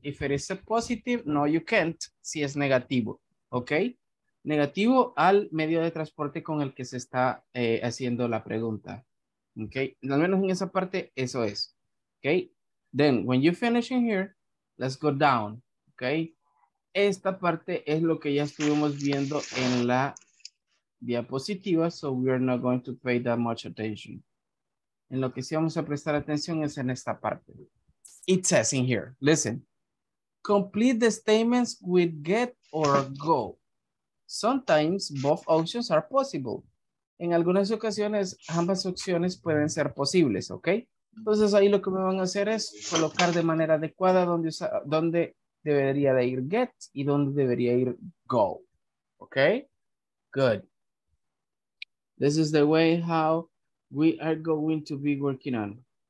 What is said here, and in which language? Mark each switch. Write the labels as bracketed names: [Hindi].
[English] If it is a positive, no, you can't. [Spanish] Si es negativo. Okay. Negativo al medio de transporte con el que se está haciendo la pregunta. Okay. Al menos en esa parte, eso es. Okay. [English] Then, when you finish in here, let's go down. Okay. [Spanish] Esta parte es lo que ya estuvimos viendo en la diapositiva. [English] So, we are not going to pay that much attention. [Spanish] En lo que sí vamos a prestar atención es en esta parte. [English] It says in here, listen, complete the statements with get or go. Sometimes both options are possible. [Spanish] En algunas ocasiones, ambas opciones pueden ser posibles, ¿ok? Entonces ahí lo que me van a hacer es colocar de manera adecuada dónde, dónde debería de ir get y dónde debería ir go, ¿ok? [English] Good. This is the way how we are going to be working on.